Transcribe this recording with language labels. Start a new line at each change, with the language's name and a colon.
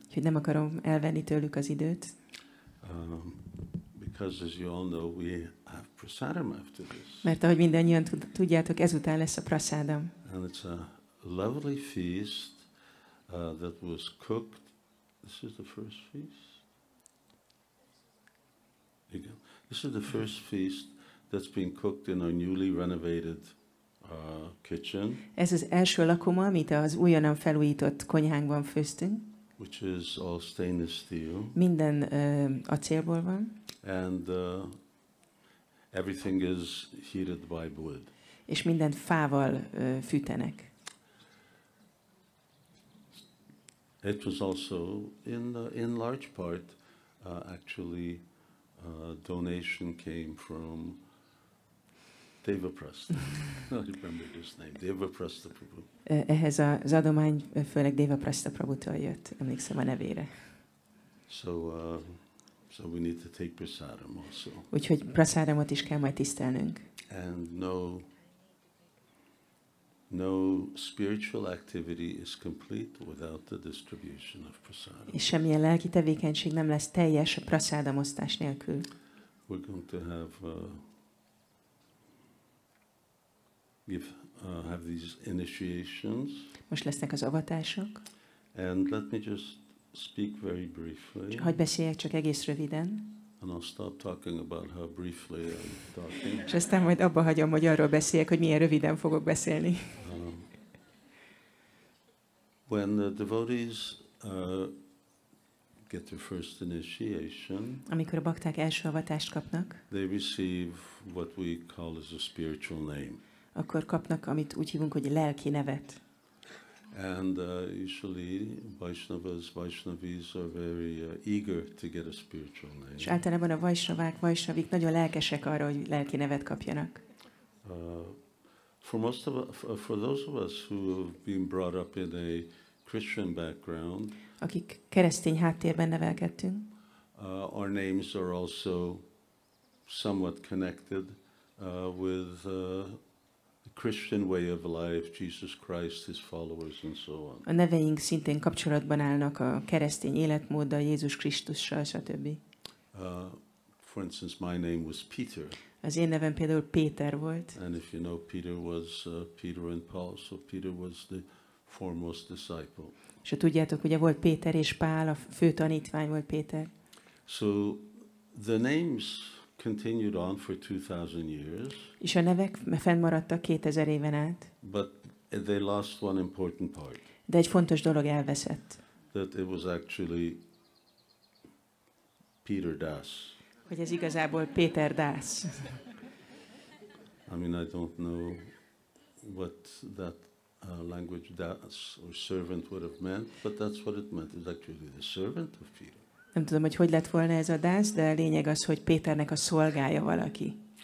Hungarian: Hogy nem akarom elvenni tőlük az időt.
English: Because as you all know, we have prasadam after this.
Hungarian: Mert ahogy mindannyian tudjátok, ezután lesz a prasadam.
English: And it's a lovely feast that was cooked. This is the first feast. Again. This is the first feast that's been cooked in our newly renovated kitchen.
Hungarian: Ez az első lakoma, amit az újonnan felújított konyhánkban főztünk.
English: Which is all stainless steel.
Hungarian: Minden acélból van.
English: And everything is heated by wood.
Hungarian: És mindent fával fűtenek.
English: It was also in large part actually a donation came from Devaprasta. I remember his name.
Hungarian: Ehhez az adomány főleg Devaprasta Prabhutól jött. Emlékszem a nevére.
English: So we need to take prasadam also.
Hungarian: Úgyhogy prasadamot is kell majd tisztelnünk.
English: And no spiritual activity is complete without the distribution of prasadam.
Hungarian: És semmilyen lelki tevékenység nem lesz teljes a prasadam osztás nélkül.
English: We're going to have these initiations.
Hungarian: Most lesznek az avatások.
English: And let me just speak very briefly.
Hungarian: Hogy beszéljek csak egész röviden.
English: And I'll stop talking about how briefly I'm talking.
Hungarian: És aztán majd abba hagyom, hogy arról beszéljek, hogy milyen röviden fogok beszélni.
English: When the devotees get their first initiation,
Hungarian: amikor a bakták első avatást kapnak,
English: they receive what we call as a spiritual name.
Hungarian: Akkor kapnak, amit úgy hívunk, hogy lelki nevet.
English: And usually Vaiṣṇavas, Vaiṣṇavis are very eager to get a spiritual name.
Hungarian: És általában a Vaiṣṇavák, Vaiṣṇavik nagyon lelkesek arra, hogy lelki nevet kapjanak.
English: For most of for those of us who have been brought up in a Christian background,
Hungarian: akik keresztény háttérben nevelkedtünk,
English: our names are also somewhat connected with Christian way of life, Jesus Christ, his followers, and so on.
Hungarian: A neveink szintén kapcsolatban állnak a keresztény életmóddal, Jézus Krisztussal, stb.
English: For instance, my name was Peter.
Hungarian: Az én nevem például Péter volt.
English: And if you know, Peter was Peter and Paul, so Peter was the foremost disciple.
Hungarian: És tudjátok, ugye volt Péter és Pál, a fő tanítvány volt Péter.
English: So the names continued on for 2000 years.
Hungarian: És a nevek fennmaradtak 2000 éven át.
English: But they lost one important part.
Hungarian: De egy fontos dolog elveszett.
English: That it was actually Peter Das.
Hungarian: Hogy ez igazából Péter Das.
English: I mean, I don't know what that language Das or servant would have meant, but that's what it meant. It's actually the servant of Peter.
Hungarian: Nem tudom, hogy hogy lett volna ez a Das, de a lényeg az, hogy Péternek a szolgája valaki.